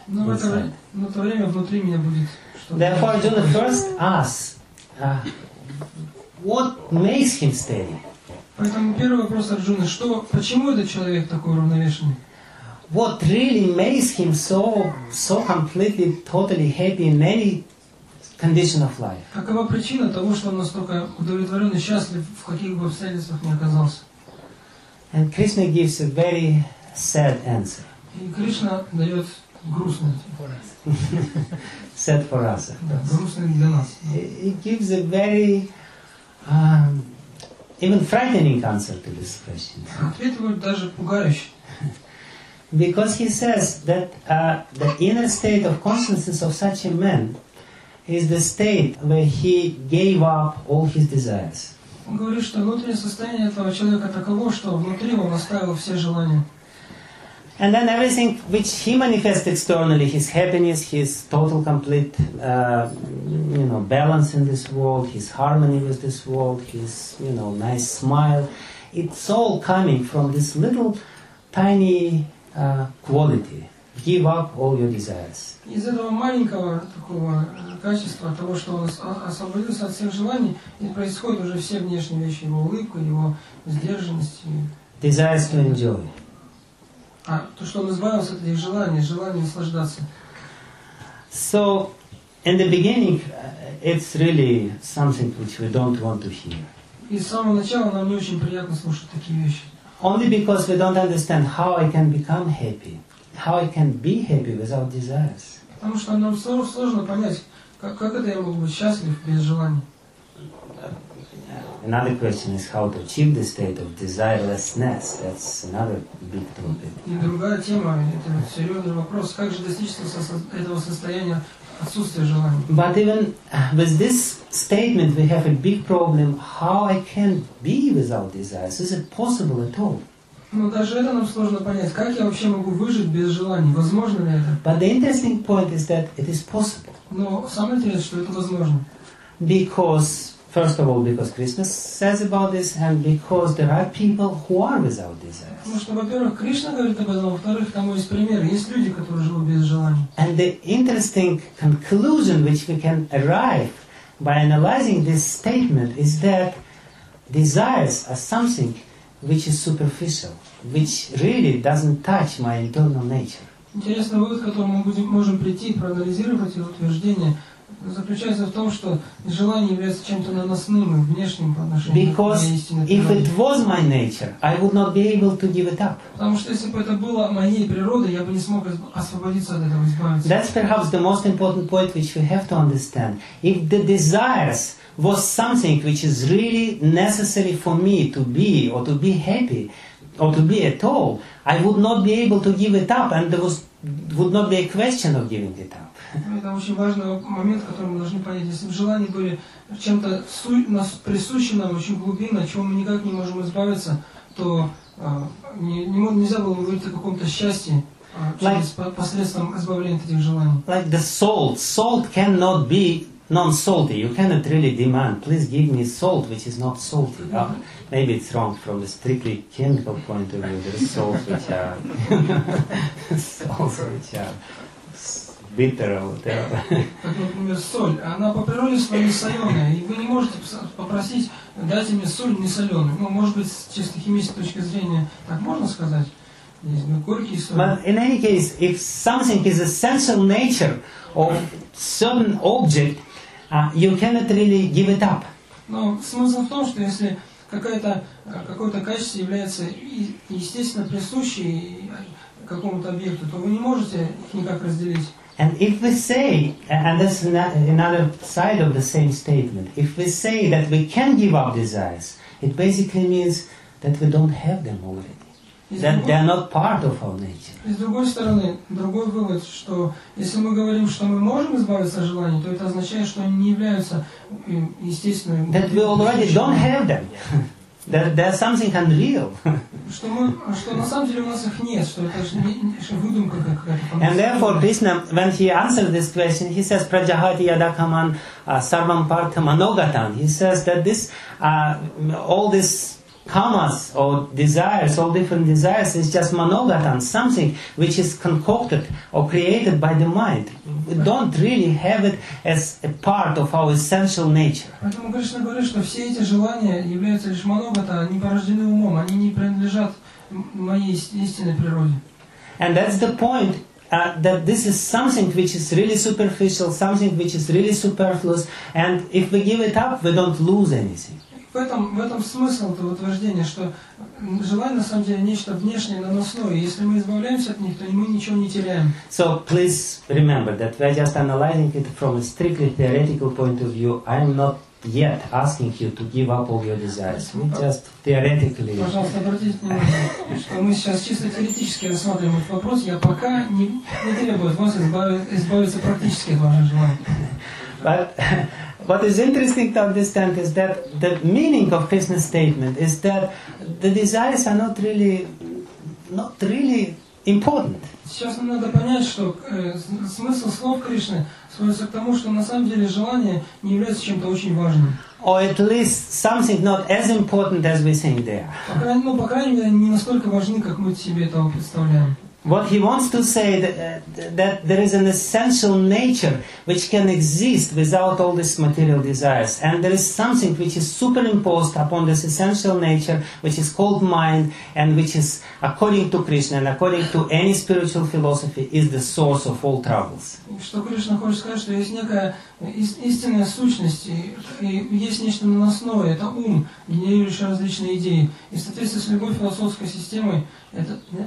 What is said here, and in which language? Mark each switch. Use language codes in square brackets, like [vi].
[ru] Но в то время внутри меня будет что-то. [en] Therefore, Arjuna first asks, what makes him steady? [ru] Поэтому первый вопрос Арджуны, почему этот человек такой уравновешенный? [en] What really makes him so completely, totally happy in any condition of life? [ru] Какова причина того, что он настолько удовлетворен и счастлив, в каких бы обстоятельствах ни оказался? [en] And Krishna gives a very sad answer. [ru] И Кришна дает грустный ответ. [en] Sad for us. [ru] Да, грустный для нас. [en] He gives a very even frightening answer to this question. [ru] Ответ будет даже пугающий. [en] Because he says that the inner state of consciousness of such a man is the state where he gave up all his desires. [ru] Он говорит, что внутреннее состояние этого человека таково, что внутри он оставил все желания. [en] And then everything which he manifests externally, his happiness, his total complete balance in this world, his harmony with this world, his nice smile, it's all coming from this little tiny quality. Give up all your desires. [ru] Из этого маленького такого качества, того, что он освободился от всех желаний, и происходят уже все внешние вещи, его улыбка, его сдержанность. [en] Desires to enjoy. [ru] А то, что он избавился от этих желаний, желание наслаждаться. [en] So, in the beginning, it's really something which we don't want to hear. [ru] И с самого начала нам не очень приятно слушать такие вещи. [en] Only because we don't understand how I can become happy, how I can be happy without desires. [ru] Потому что нам сложно понять, как это я могу быть счастлив без желаний. [en] Another question is how to achieve the state of desirelessness. That's another big topic. [ru] И другая тема, это серьезный вопрос, как же достичь этого состояния отсутствия желания. [en] But even with this statement, we have a big problem. How I can be without desires? Is it possible at all? [ru] Но даже это нам сложно понять. Как я вообще могу выжить без желаний? Возможно ли это? [en] But the interesting point is that it is possible. [ru] Но самое интересное, что это возможно. [en] Because first of all, because Krishna says about this, and because there are people who are without desires. [ru] Потому что, во-первых, Кришна говорит об этом, во-вторых, там есть примеры. Есть люди, которые живут без желаний. [en] And the interesting conclusion which we can arrive by analyzing this statement is that desires are something which is superficial, which really doesn't touch my internal nature. [ru] Интересный вывод, к которому мы можем прийти, проанализировать это утверждение. Заключается в том, что желание является чем-то наносным и внешним по отношению к истинной природе. [en] Because if it was my nature, I would not be able to give it up. [ru] Потому что если бы это было моей природой, я бы не смог освободиться от этого, избавиться. [en] That's perhaps the most important point which we have to understand. If the desires was something which is really necessary for me to be or to be happy or to be at all, I would not be able to give it up, and there would not be a question of giving it up. [ru] Это очень важный момент, который мы должны понять. Если бы желания были чем-то присущим нам, очень глубинно, чего мы никак не можем избавиться, то нельзя было бы говорить о каком-то счастье посредством избавления от этих желаний. [en] Like the salt. Salt cannot be non-salty. You cannot really demand, please give me salt, which is not salty. Mm-hmm. Oh, maybe it's wrong from a strictly chemical point of view. There's salts which are... bitterer, whatever. [ru] Как, например, соль. Она по природе своей не соленая. И вы не можете попросить, дайте мне соль не соленую. Ну, может быть, с чисто химической точки зрения, так можно сказать? Есть, ну, горький соль. [en] But in any case, if something is essential nature of certain object, you cannot really give it up. [ru] Но смысл в том, что если какое-то качество является естественно присущим какому-то объекту, то вы не можете их никак разделить. [en] And if we say, and this is another side of the same statement, if we say that we can give up desires, it basically means that we don't have them already. That they are not part of our nature. [ru] И с другой стороны, другой вывод, что если мы говорим, что мы можем избавиться от желаний, то это означает, что они не являются естественными. [en] That we already don't have them. That there's something unreal. [ru] Что на самом деле у нас их нет, что это же выдумка какая-то. [en] And therefore, Krishna, when he answers this question, he says, [sa] "Prajahati yadakaman sarvam partham anogatan." [en] He says that this, all this kamas or desires, all different desires, is just manogatan, something which is concocted or created by the mind. We don't really have it as a part of our essential nature. [ru] Поэтому Кришна говорит, что все эти желания являются лишь маногатан, они порождены умом, они не принадлежат моей истинной природе. [en] And that's the point. That this is something which is really superficial, something which is really superfluous, and if we give it up, we don't lose anything. [ru] В этом смысл этого утверждения, что желание на самом деле нечто внешнее, наносное. Если мы избавляемся от них, то мы ничего не теряем. [en] So please remember that we are just analyzing it from a strictly theoretical point of view. I am not yet asking you to give up all your desires. We just theoretically. [ru] Пожалуйста, обратите внимание, что мы сейчас чисто теоретически рассматриваем этот вопрос. Я пока не требую от вас избавиться практически от ваших желаний. [en] But what is interesting to understand is that the meaning of Krishna's statement is that the desires are not really important. [ru] Сейчас нам надо понять, что смысл слов Кришны сводится к тому, что на самом деле желание не является чем-то очень важным. [en] Or at least something not as important as we think they are. [ru] По крайней мере, не настолько важны, как мы себе этого представляем. [en] What he wants to say that there is an essential nature which can exist without all these material desires, and there is something which is superimposed upon this essential nature, which is called mind, and which is according to Krishna and according to any spiritual philosophy is the source of all troubles. [ru] Что Кришна хочет сказать, что есть некая истинная сущность и есть нечто наносное, это ум, генерирующий различные идеи, и в соответствии с любой философской системой это.